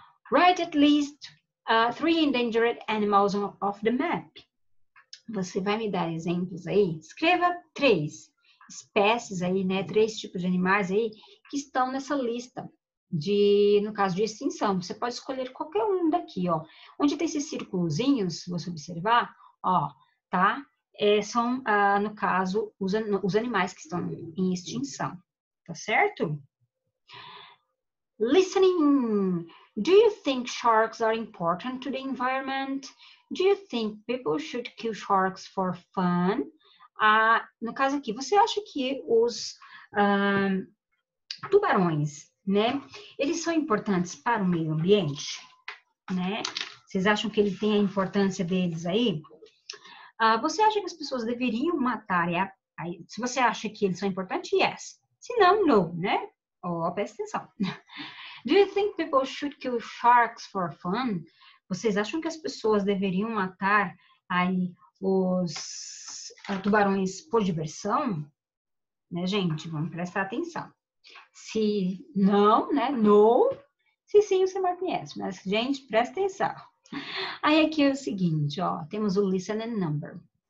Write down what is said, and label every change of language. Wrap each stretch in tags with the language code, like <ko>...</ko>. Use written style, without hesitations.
<en>Write at least three endangered animals off the map.</en> <pt>Você vai me dar exemplos aí? Escreva três espécies aí, né? Três tipos de animais aí que estão nessa lista de, no caso de extinção. Você pode escolher qualquer um daqui, ó. Onde tem esses circulozinhos, se você observar, ó, tá? São, no caso, os animais que estão em extinção. Tá certo? Listening.</pt> <en>Do you think sharks are important to the environment? Do you think people should kill sharks for fun?</en> <pt>No caso aqui, você acha que os tubarões, né, eles são importantes para o meio ambiente? Né? Vocês acham que ele tem a importância deles aí? Você acha que as pessoas deveriam matar? Se você acha que eles são importantes, yes. Se não, no, né? Ó, presta atenção.</pt> <en>Do you think people should kill sharks for fun?</en> <pt>Vocês acham que as pessoas deveriam matar aí os tubarões por diversão? Né, gente? Vamos prestar atenção. Se não, né? No. Se sim, você marca yes. Mas, gente, presta atenção. Aí aqui é o seguinte, ó, temos o</pt> <en>listen and number.</en>